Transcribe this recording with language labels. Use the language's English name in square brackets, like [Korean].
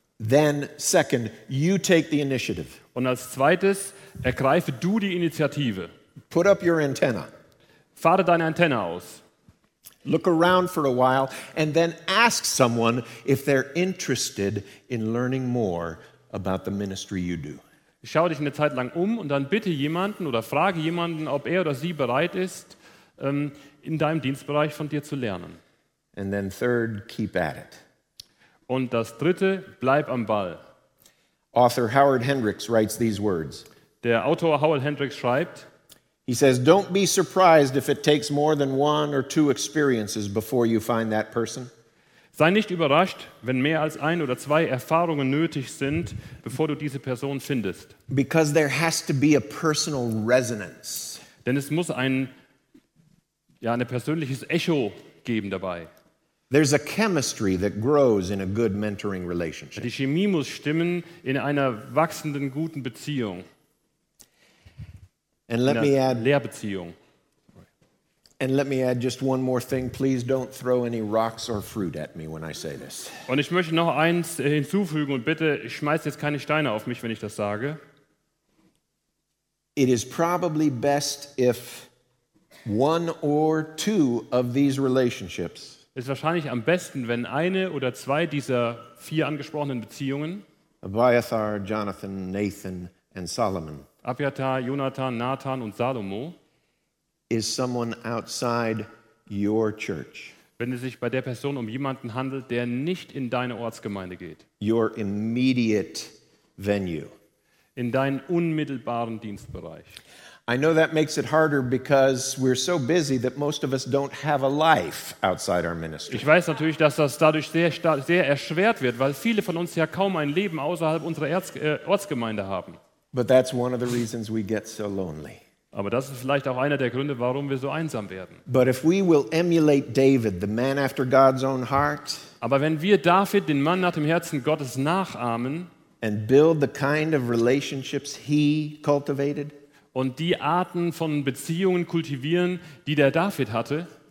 [English] Then second, you take the initiative. [German] Und als zweites, ergreife du die Initiative. [English] Put up your antenna. [German] Fahre deine Antenne aus. [English] Look around for a while and then ask someone if they're interested in learning more about the ministry you do. [German] Schau dich eine Zeit lang um und dann bitte jemanden oder frage jemanden, ob er oder sie bereit ist, in deinem Dienstbereich von dir zu lernen. [English] And then third, keep at it. [German] Und das dritte, bleib am Ball. [English] Author Howard Hendricks writes these words. [German] Der Autor Howard Hendricks schreibt, [English] he says, don't be surprised if it takes more than one or two experiences before you find that person. [German] Sei nicht überrascht, wenn mehr als ein oder zwei Erfahrungen nötig sind, bevor du diese Person findest. [English] Because there has to be a personal resonance. [German] Denn es muss ein ein persönliches Echo geben dabei. [English] There's a chemistry that grows in a good mentoring relationship. [German] Die Chemie muss stimmen in einer wachsenden guten Beziehung. [English] And let me add [German] Lehrbeziehung. [English] And let me add just one more thing. Please don't throw any rocks or fruit at me when I say this. [German] Und ich möchte noch eins hinzufügen und bitte schmeiß jetzt keine Steine auf mich, wenn ich das sage. [English] It is probably best if one or two of these relationships. [German] Es ist wahrscheinlich am besten, wenn eine oder zwei dieser vier angesprochenen Beziehungen. [English] Abiathar, Jonathan, Nathan and Solomon. [German] Abiathar, Jonathan, Nathan und Salomo. [English] Is someone outside your church? [German] Wenn es sich bei der Person um jemanden handelt, der nicht in deine Ortsgemeinde geht. [English] Your immediate venue. [German] In deinen unmittelbaren Dienstbereich. [English] I know that makes it harder because we're so busy that most of us don't have a life outside our ministry. [German] Ich weiß natürlich, dass das dadurch sehr erschwert wird, weil viele von uns ja kaum ein Leben außerhalb unserer Ortsgemeinde haben. [English] But that's one of the reasons we get so lonely. [German] Aber das ist vielleicht auch einer der Gründe, warum wir so einsam werden. [English] But if we will emulate David, the man after God's own heart, [German] aber wenn wir David, den Mann nach dem Herzen Gottes, nachahmen [English] and build the kind of relationships he cultivated, [German] und die Arten von Beziehungen kultivieren, die der David hatte,